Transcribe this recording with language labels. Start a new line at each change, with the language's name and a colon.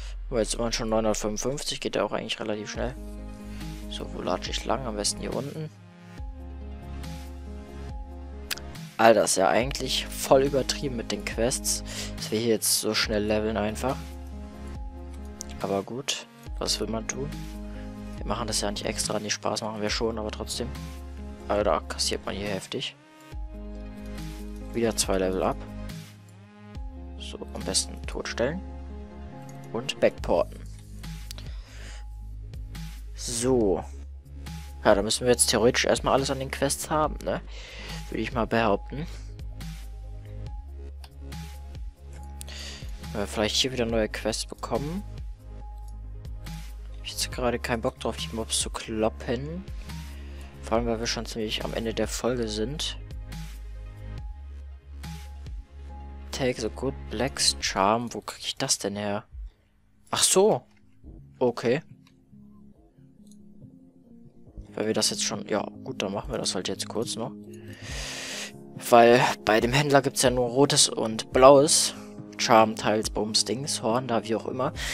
German: Aber jetzt immerhin schon 955, geht ja auch eigentlich relativ schnell. So, wo latsche ich lang? Am besten hier unten. Alter, ist ja eigentlich voll übertrieben mit den Quests, dass wir hier jetzt so schnell leveln einfach. Aber gut, was will man tun? Wir machen das ja nicht extra, nicht Spaß machen wir schon, aber trotzdem. Alter, kassiert man hier heftig. Wieder zwei Level ab. So, am besten totstellen. Und backporten. So. Ja, da müssen wir jetzt theoretisch erstmal alles an den Quests haben, ne? Würde ich mal behaupten. Wenn wir vielleicht hier wieder neue Quests bekommen. Ich habe jetzt gerade keinen Bock drauf, die Mobs zu kloppen. Vor allem, weil wir schon ziemlich am Ende der Folge sind.
English: Take the good Black's Charm.
German: Wo kriege ich das denn her? Ach so. Okay. Weil wir das jetzt schon... Ja, gut, dann machen wir das halt jetzt kurz noch. Weil bei dem Händler gibt es ja nur rotes und blaues Charm, teils Bums, Dings, Horn, da wie auch immer.